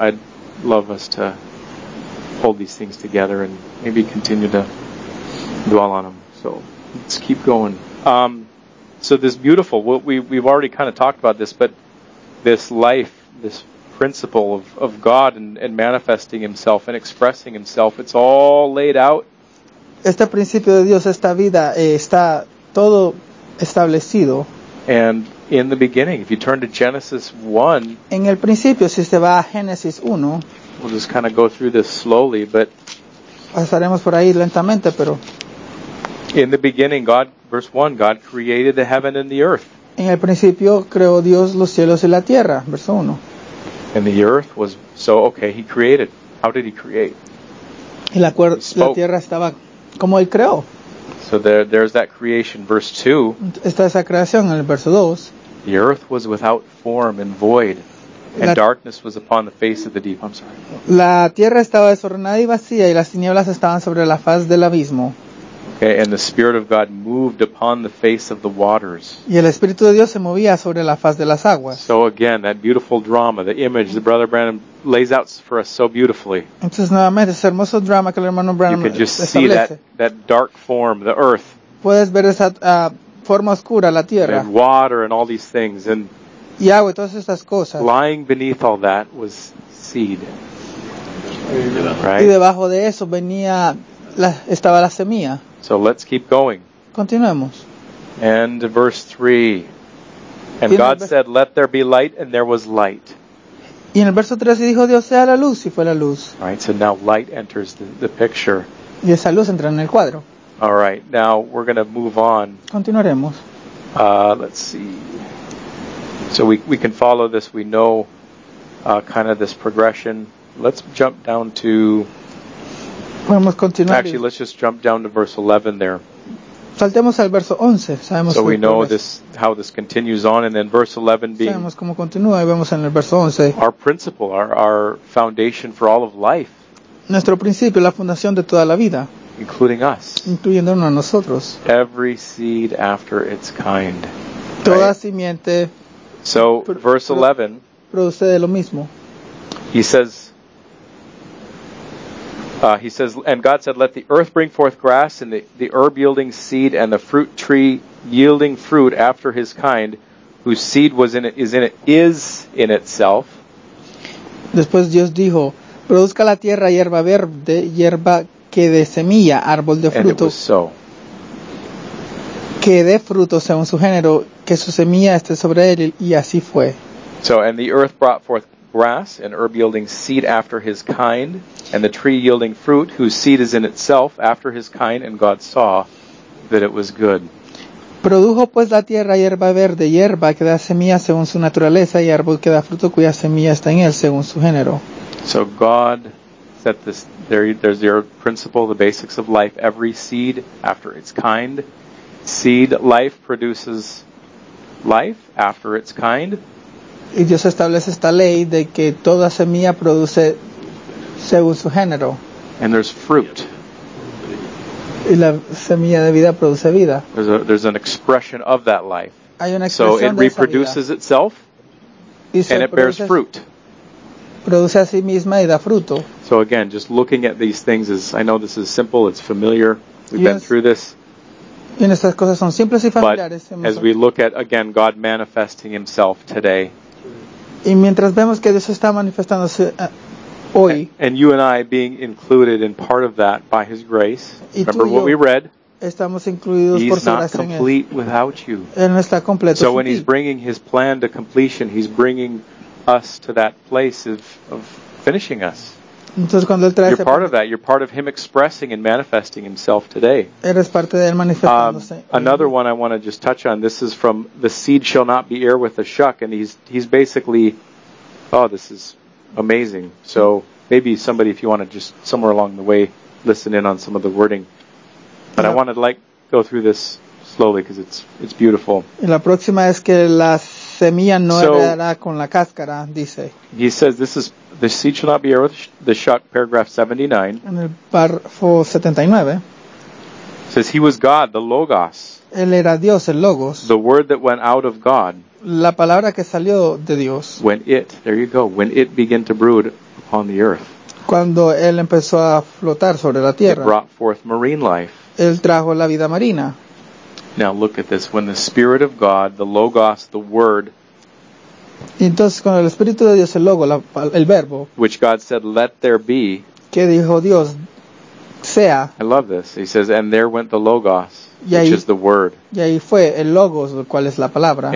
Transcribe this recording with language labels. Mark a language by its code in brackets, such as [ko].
[en] I'd love us to hold these things together and maybe continue to dwell on them. So let's keep going. So this beautiful, we've already kind of talked about this, but this life, this principle of God and manifesting himself and expressing himself, it's all laid out. [es] Este principio de Dios, esta vida, está todo establecido. [en] And in the beginning, if you turn to Genesis 1, [es] en el principio, si usted va a Génesis 1, [en] we'll just kind of go through this slowly, but [es] pasaremos por ahí lentamente, pero [en] in the beginning, God, verse 1, God created the heaven and the earth. [es] En el principio creó Dios los cielos y la tierra, verso 1. [en] And the earth was, so okay, he created. How did he create? [es] Y la, [en] he spoke. [es] La tierra estaba como él creó. [en] So there's that creation, verse 2. [es] Está esa creación en el verso 2. [en] The earth was without form and void. And darkness was upon the face of the deep. I'm sorry. [es] La tierra estaba desordenada y vacía, y las tinieblas estaban sobre la faz del abismo. [en] Okay, and the Spirit of God moved upon the face of the waters. [es] Y el Espíritu de Dios se movía sobre la faz de las aguas. [en] So again, that beautiful drama, the image that Brother Branham lays out for us so beautifully. [es] Entonces nuevamente, ese hermoso drama que el hermano Branham establece. [en] You can just see that dark form, the earth. [es] Puedes ver esa forma oscura, la tierra. [en] And water and all these things. And [es] y agua, todas estas cosas. [en] Lying beneath all that was seed. Right? [es] Y debajo de eso venía estaba la semilla. [en] So let's keep going. [es] Continuemos. [en] And verse 3. And God said, let there be light, and there was light. [es] Y en el verso 3 dijo Dios, sea la luz, y fue la luz. [en] All right, so now light enters the picture. [es] Y esa luz entra en el cuadro. [en] All right, now we're going to move on. [es] Continuaremos. [en] Let's see. So we can follow this. We know kind of this progression. Let's jump down to... [es] Podemos continuar. [en] Actually, let's just jump down to verse 11 there. [es] Saltemos al verso 11. Sabemos [en] so we know this, how this continues on, and then verse 11 being [es] sabemos cómo continúa, y vemos en el verso 11. [en] Our principle, our foundation for all of life. [es] Nuestro principio, la fundación de toda la vida. [en] Including us. [es] Incluyéndonos a nosotros. [en] Every seed after its kind. [es] Toda [en] right? [es] Simiente. [en] So, verse 11. [es] Produce de lo mismo. [en] He says, and God said, let the earth bring forth grass and the herb yielding seed and the fruit tree yielding fruit after his kind, whose seed was in it, is in itself. [es] Después Dios dijo, produzca la tierra hierba verde, hierba que de semilla, árbol de fruto. [en] And it was so. [es] Que dé fruto según su género, que su semilla esté sobre él, y así fue. [en] So, and the earth brought forth grass and herb yielding seed after his kind, and the tree yielding fruit whose seed is in itself after his kind, and God saw that it was good. [es] Produjo pues la tierra hierba verde, hierba que da semilla según su naturaleza, y árbol que da fruto cuya semilla está en él según su género. [en] So God set this, there's your principle, the basics of life, every seed after its kind. Seed life produces life after its kind. [es] Y Dios establece esta ley de que toda semilla produce según su género. [en] And there's fruit. [es] Y la semilla de vida produce vida. [en] There's an expression of that life. [es] Hay una expresión [en] so it [es] de [en] reproduces [es] esa vida. [en] Itself, [es] y se [en] and it bears fruit. [es] Produce a sí misma y da fruto. [en] So again, just looking at these things, is I know this is simple, it's familiar, we've been through this. [es] Y estas cosas son simples y familiares. [en] But as we look at, again, God manifesting himself today, [es] y mientras vemos que Dios está manifestándose hoy, [en] and you and I being included in part of that by his grace, remember what we read, [es] estamos incluidos [en] he's [es] por su [en] not complete [es] él. [en] Without you. [es] Él no está completo [en] so [es] sin [en] when [es] ti. [en] He's bringing his plan to completion, he's bringing us to that place of finishing us. [es] Entonces, cuando él trae [en] you're part of that. You're part of him expressing and manifesting himself today. [es] Eres parte de él manifestándose. [en] Another one I want to just touch on. This is from The Seed Shall Not Be Heir with a Shuck. And he's basically, oh, this is amazing. So maybe somebody, if you want to just somewhere along the way, listen in on some of the wording. But yeah. I want to go through this slowly because it's beautiful. [es] Y la próxima es que las semilla no heredará con la cáscara, dice. [en] He says this is the seed shall not be earth, the shot, paragraph 79. [es] En el párrafo 79. [en] Says he was God, the Logos. [es] Él era Dios, el Logos. [en] The word that went out of God. [es] La palabra que salió de Dios. [en] When it, there you go, when it began to brood upon the earth. [es] Cuando él empezó a flotar sobre la tierra. [en] It brought forth marine life. [es] Él trajo la vida marina. [en] Now look at this. When the Spirit of God, the Logos, the Word. [es] Entonces, cuando el Espíritu de Dios, el Logo, el Verbo. [en] Which God said, let there be. [es] Que dijo Dios, sea. [en] I love this. He says, and there went the Logos, which is the Word. [es] Y ahí fue el Logos, el cual es la palabra.